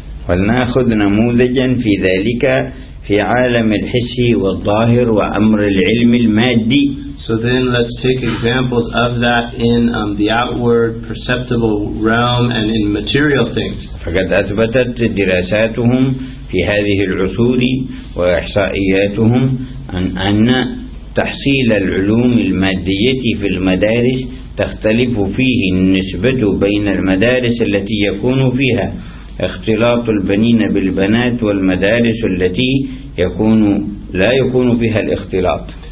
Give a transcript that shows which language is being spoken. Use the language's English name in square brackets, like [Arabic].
[Arabic] ولناخذ نموذجا في ذلك في عالم الحس والظاهر وأمر العلم المادي. [English] So then let's take examples of that in the outward perceptible realm and in material things. [Arabic] فقد أثبتت دراساتهم في هذه العصور وإحصائياتهم أن تحصيل العلوم المادية في المدارس تختلف فيه النسبة بين المدارس التي يكون فيها اختلاط البنين بالبنات والمدارس التي لا يكون فيها الاختلاط.